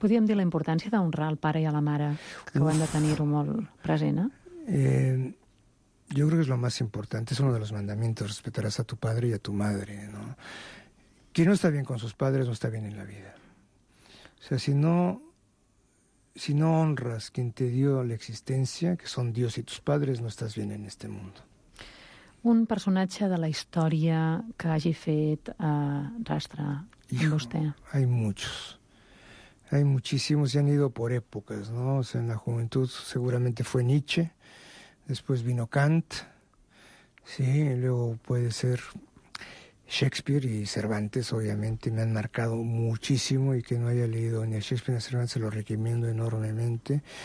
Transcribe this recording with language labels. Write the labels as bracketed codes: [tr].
[ca] Podríem dir la importància d'honrar el pare i la mare, que ho han de tenir-ho molt present, [es] Yo creo que es lo más importante, es uno de los mandamientos, respetarás a tu padre y a tu madre, ¿no? Quien no está bien con sus padres no está bien en la vida. O sea, si no honras quien te dio la existencia, que son Dios y tus padres, no estás bien en este mundo. [ca] Un personatge de la història que hagi fet rastre en vostè. [es] Hay muchos. Hay muchísimos y han ido por épocas, ¿no? O sea, en la juventud seguramente fue Nietzsche. Después vino Kant, sí, luego puede ser Shakespeare y Cervantes, obviamente, me han marcado muchísimo, y que no haya leído ni a Shakespeare ni a Cervantes, lo recomiendo enormemente.